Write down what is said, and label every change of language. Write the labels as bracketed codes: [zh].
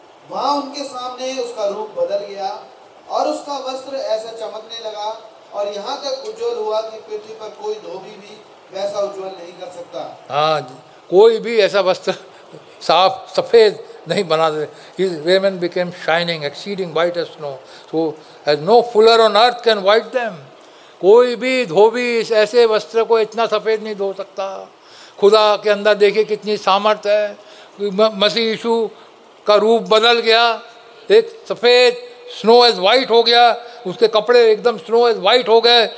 [hi] वहाँ उनके सामने उसका रूप बदल गया और उसका वस्त्र ऐसा चमकने लगा और यहाँ तक उज्ज्वल हुआ कि पृथ्वी पर कोई धोबी भी वैसा उज्जवल नहीं कर सकता। हाँ, कोई भी ऐसा वस्त्र साफ सफ़ेद नहीं बना दे। [en] His raiment became shining, exceeding white as snow. So, as no fuller on earth can white them. [hi] कोई भी धोबी इस ऐसे वस्त्र को इतना सफ़ेद नहीं धो सकता। खुदा के अंदर देखिए कितनी सामर्थ है। मसीह यीशु का रूप बदल गया, एक सफ़ेद [en] snow as white [hi] हो गया, उसके कपड़े एकदम स्नो एज वाइट हो गए।